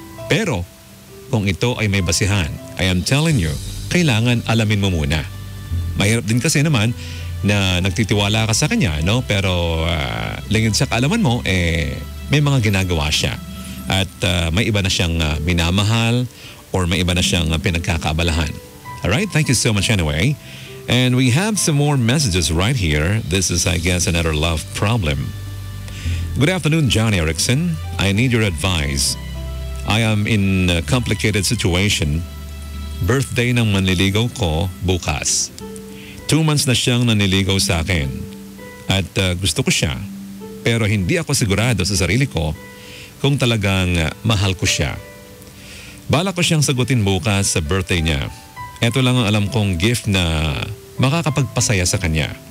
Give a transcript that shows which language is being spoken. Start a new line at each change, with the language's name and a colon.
Filipino: Pero kung ito ay may basihan,
English: I am telling you,
Filipino: kailangan alamin mo muna. Mahirap din kasi naman na nagtitiwala ka sa kanya, no? Pero lingid sa kaalaman mo, eh may mga ginagawa siya. At may iba na siyang minamahal or may iba na siyang pinagkakabalahan.
English: Alright, thank you so much anyway. And we have some more messages right here. This is, I guess, another love problem. Good afternoon, John Ericsson. I need your advice. I am in a complicated situation.
Filipino: Birthday ng manliligaw ko bukas. 2 months na siyang naniligaw sa akin. At gusto ko siya. Pero hindi ako sigurado sa sarili ko kung talagang mahal ko siya. Balak ko siyang sagutin bukas sa birthday niya. Ito lang ang alam kong gift na makakapagpasaya sa kanya.